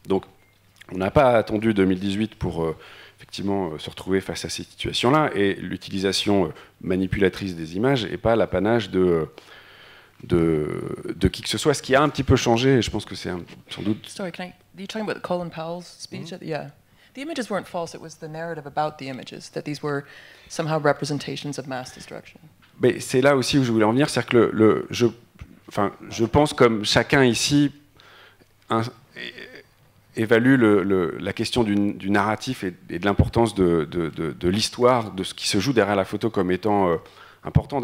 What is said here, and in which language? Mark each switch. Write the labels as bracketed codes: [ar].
[fr] Donc, on n'a pas attendu 2018 pour effectivement se retrouver face à ces situations-là, et l'utilisation manipulatrice des images n'est pas l'apanage de qui que ce soit. Ce qui a un petit peu changé, et je pense que c'est sans doute. [en] Sorry, can I? Are you talking about Colin Powell's speech? Mm-hmm. Yeah, the images weren't false. It was the narrative about the images that these were somehow representations of mass destruction. [fr] Mais c'est là aussi où je voulais en venir, c'est-à-dire que je pense comme chacun ici. Évalue la question du narratif et de l'importance de l'histoire, de ce qui se joue derrière la photo comme étant importante.